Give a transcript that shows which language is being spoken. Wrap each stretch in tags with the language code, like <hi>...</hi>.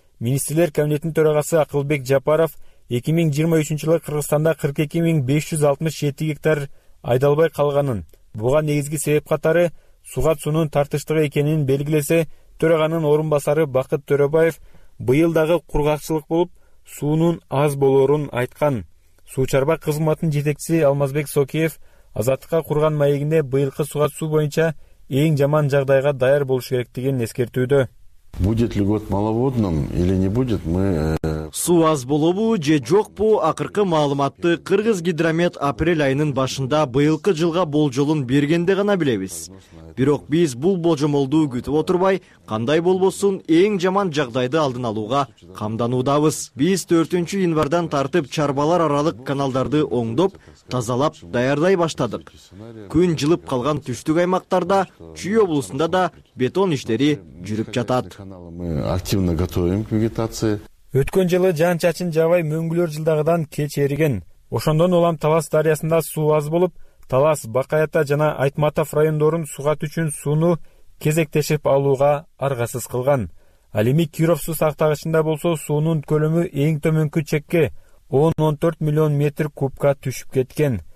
<ky>Министрлер кабинетинин төрагасы Акылбек Жапаров 2023 жылы Кыргызстанда 42567 гектар айдалбай калганын, буга негизги себеп катары суга суунун тартыштыгы экенин белгилесе, төраганын орун басары Бакыт Төрөбаев быйыл дагы кургакчылык болуп, суунун аз болорун айткан. Суу чарба кызматынын жетекчиси Алмазбек Сокиев Азаттыкка курган маегинде быйылкы суга суу боюнча эң жаман жагдайга даяр болуш керектигин эскертүүдө.</ky> <ru>Будет ли год маловодным или не будет, мы...</ru> <ky>Суу аз болобу же жокпу, акыркы маалыматты Кыргыз гидромет апрель айынын башында быйылкы жылга болжолун бергенде гана билебиз. Бирок биз бул божомолду күтүп отурбай, кандай болбосун эң жаман жагдайды алдын алууга камданудабыз. Биз 4 январдан тартып чарбалар аралык каналдарды оңдоп, тазалап, даярдай баштадык. Күн жылып калган түштүк аймактарда, Чүй облусунда да бетон иштери жүрүп жатат.</ky> <ru>Мы активно готовим к вегетации.</ru> <ky>Өткөн жылы жаан чачын жабай мөңгүлөр жылдагыдан кеч эриген. Ошондон улам Талас дарыясында суу аз болуп, Талас, Бакаята жана Айтматов райондорун сугат үчүн сууну кезектешип алууга аргасыз кылган. Ал эми Киров суу сактагычында болсо суунун көлөмү эң төмөнкү чекке 10-14 миллион метр кубка түшүп кеткен.</ky>